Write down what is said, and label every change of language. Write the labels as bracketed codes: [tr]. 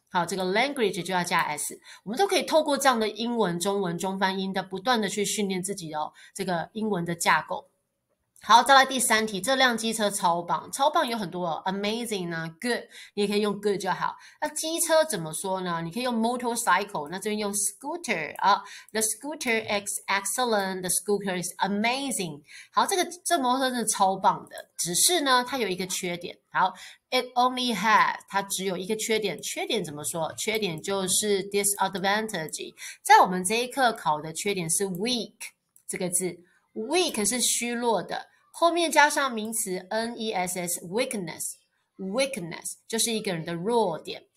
[zh] 好，这个 language 就要加 s， 我们都可以透过这样的英文、中文、中翻英的不断的去训练自己哦，这个英文的架构。好，再来第三题，这辆机车超棒，超棒有很多哦， amazing 啊， good， 你也可以用 good 就好。那机车怎么说呢？你可以用 [en] motorcycle， [zh] 那这边用 [en] scooter 啊， the scooter is excellent， the scooter is amazing。 [zh] 好，这摩托车真的超棒的，只是呢它有一个缺点。好， [en] it only has， [zh] 它只有一个缺点，缺点怎么说？缺点就是 disadvantage， 在我们这一课考的缺点是 weak 这个字，weak 是虚弱的，后面加上名词 ness， weakness 就是一个人的弱点。